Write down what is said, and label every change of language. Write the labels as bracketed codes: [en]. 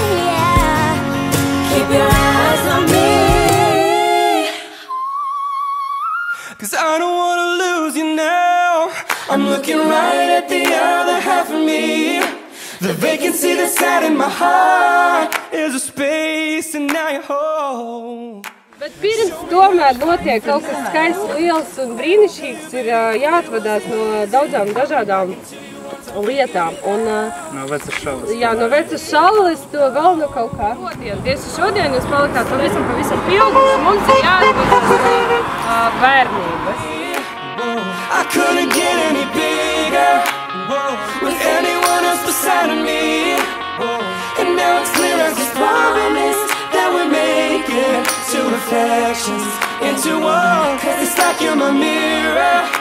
[en] Yeah. Keep your eyes on me. 'Cause I don't wanna lose you now. I'm looking right at the other half of me. The vacancy that's sat in my heart is a space and now you're home. [lv] Bet pirms tomēr notiek kaut kas skaists, liels un brīnišķīgs, ir jāatvadās no daudzām dažādām lietām. Un, no veca šalas. Jā, no veca šalas, to vēl no kaut kā. Tieši šodien jūs palikāt pavisam, pavisam pieaugus, mums ir jāatvadās bērnības. [en] I couldn't get any bigger with anyone else beside of me. And now it's clear as this promise that we make it. Two reflections into one. 'Cause it's like you're my mirror.